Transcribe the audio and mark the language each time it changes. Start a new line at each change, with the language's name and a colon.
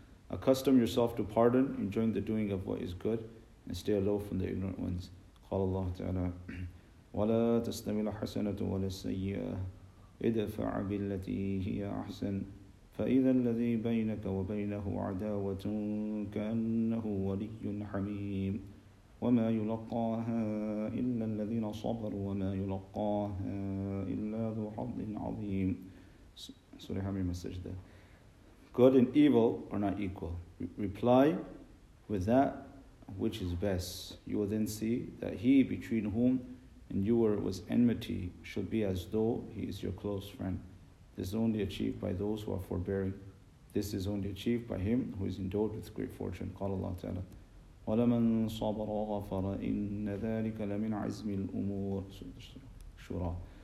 English: Accustom yourself to pardon, enjoin the doing of what is good, and stay aloof from the ignorant ones.
Arabic: Allah ta'ala, وَلَا تَسْتَمِي الْحَسَنَةُ وَلَا السَّيِّئَةُ اِدْفَعَ بِالَّتِي هِيَ أَحْسَنُ فَإِذَا الَّذِي بَيْنَكَ وَبَيْنَهُ عَدَاوَةٌ كَأَنَّهُ وَلِيٌّ حَمِيمٌ وَمَا يُلَقَّاهَا إِلَّا الَّذِينَ صَبَرُوا وَمَا يُلَقَّاهَا إِلَّا ذُو حَظٍّ عَظِيمٍ Surah Hamim Sajda.
English: Good and evil are not equal. Reply with that which is best. You will then see that he between whom and you were with enmity shall be as though he is your close friend. This is only achieved by those who are forbearing. This is only achieved by him who is endowed with great fortune.
Arabic: قال الله تعالى وَلَمَنْ صَبَرَ وَغَفَرَ إِنَّ ذَٰلِكَ لَمِنْ عِزْمِ الْأُمُورِ Shura.